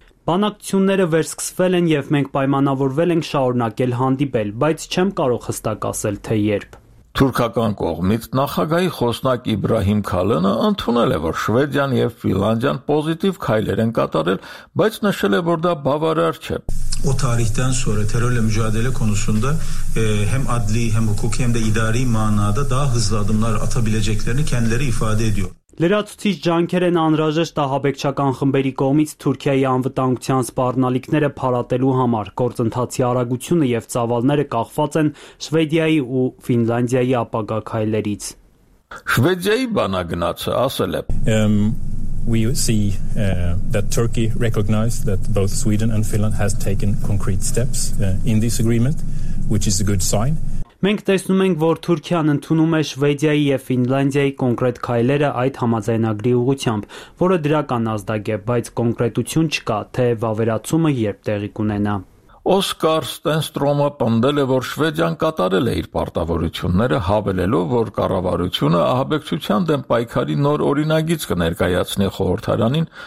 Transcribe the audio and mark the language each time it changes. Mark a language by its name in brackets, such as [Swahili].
[Armenian] Բանակցությունները վերսկսվել են և մենք պայմանավորվել ենք շահորնակել հանդիպել, բայց չեմ կարող հստակ ասել, թե երբ։ Թուրքական կողմից նախագահի խոսնակ Իբրահիմ Քալենը ընդունել է, որ Շվեդիան և Ֆինլանդիան պոզիտիվ քայլեր են կատարել, բայց նշել է, որ դա բավարար չէ։ [Turkish] O tarihten sonra terörle mücadele konusunda hem adli hem hukuki hem de idari manada daha hızlı adımlar atabileceklerini kendileri ifade ediyor. [Armenian] Լրացուցիչ ջանքեր են անհրաժեշտ տահաբեկչական խմբերի կողմից Թուրքիայի անվտանգության սպառնալիքները փարատելու համար։ Գործընթացի արագությունը և ծավալները կախված են Շվեդիայի ու Ֆինլանդիայի ապագա քայլերից։ Շվեդիայի բանագնացը ասել է. [English] We see that Turkey recognized that both Sweden and Finland has taken concrete steps in this agreement, which is a good sign. [Armenian] Մենք տեսնում ենք, որ Թուրքիան ընդունում է Շվեդիայի և Ֆինլանդիայի կոնկրետ քայլերը այդ համաձայնագրի ուղղությամբ, որը դրական ազդակ է, բայց կոնկրետություն չկա, թե վավերացումը երբ տեղի կունենա։ Օսկար Ստենստրոմը պնդել է, որ Շվեդիան կատարել է իր պարտավորությունները, հավելելով, որ կառավարությունը ահաբեկչության դեմ պայքարի նոր օրինագիծ կներկայացնի խորհրդարանին